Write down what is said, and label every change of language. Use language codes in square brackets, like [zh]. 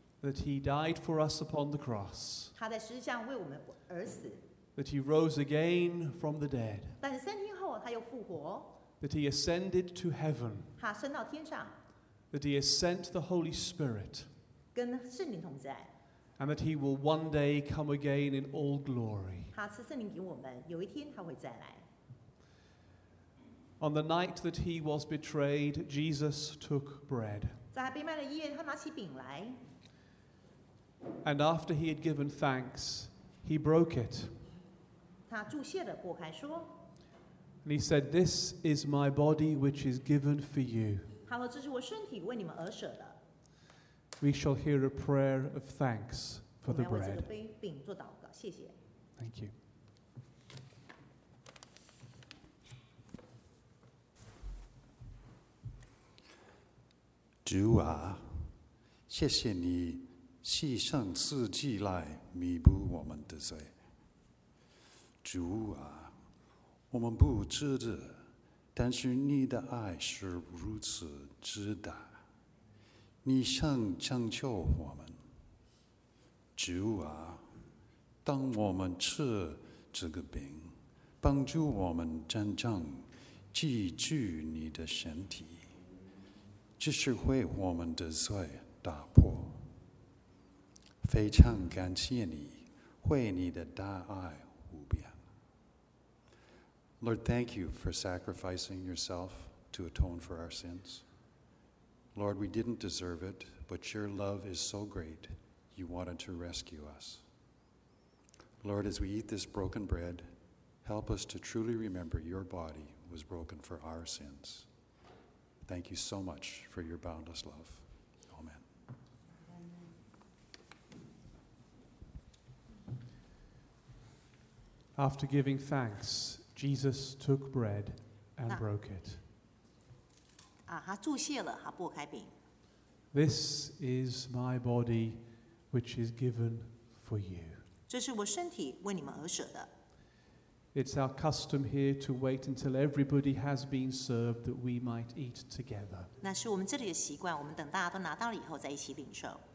[en] That he died for us upon the cross. [zh] 他在十字架为我们而死。 [en] That he rose again from the dead. [zh] 但是三天后他又复活。 [en] That he ascended to heaven. [zh] 他升到天上。 [en] That he has sent the Holy Spirit. [zh] 跟圣灵同在。 [en] And that he will one day come again in all glory. [zh] 他赐圣灵给我们，有一天他会再来。 [en] On the night that he was betrayed, Jesus took bread. [zh] 在被卖的夜，他拿起饼来。 [en] And after he had given thanks, he broke it. [zh] 他注谢了，擘开说。 [en] And he said, "This is my body, which is given for you." [zh] 他说，这是我身体为你们而舍的。 [en] We shall hear a prayer of thanks for the bread. [zh] 我们要为这个饼做祷告，谢谢。 [en] Thank you. [zh] Lord, 谢谢你。牺牲自己来弥补我们的罪，主啊，我们不值得，但是你的爱是如此之大，你想拯救我们。主啊，当我们吃这个饼，帮助我们真正记住你的身体，这是为我们的罪打破。非常感谢你，为你的大爱无边。 [en] Lord, thank you for sacrificing yourself to atone for our sins. Lord, we didn't deserve it, but your love is so great, you wanted to rescue us. Lord, as we eat this broken bread, help us to truly remember your body was broken for our sins. Thank you so much for your boundless love. After giving thanks, Jesus took bread and broke it. [zh] 他祝谢了，他擘开饼。 [en] This is my body, which is given for you. [zh] 这是我身体为你们而舍的。 [en] It's our custom here to wait until everybody has been served that we might eat together. [zh] 那是我们这里的习惯，我们等大家都拿到了以后再一起领受。